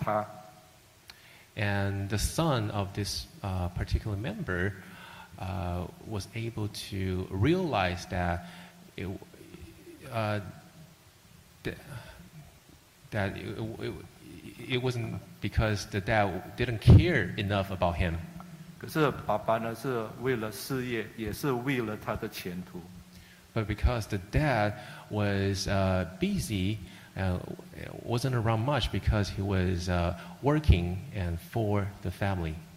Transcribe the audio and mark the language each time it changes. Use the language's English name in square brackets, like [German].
[Chinese] 儿子也能够看到，当时的爸爸并不是说，不是不管他。 [English] And the son of this particular member was able to realize that it wasn't because the dad didn't care enough about him. [Chinese] 可是爸爸呢，是为了事业，也是为了他的前途。 [English] But because the dad was busy, wasn't around much because he was working and for the family.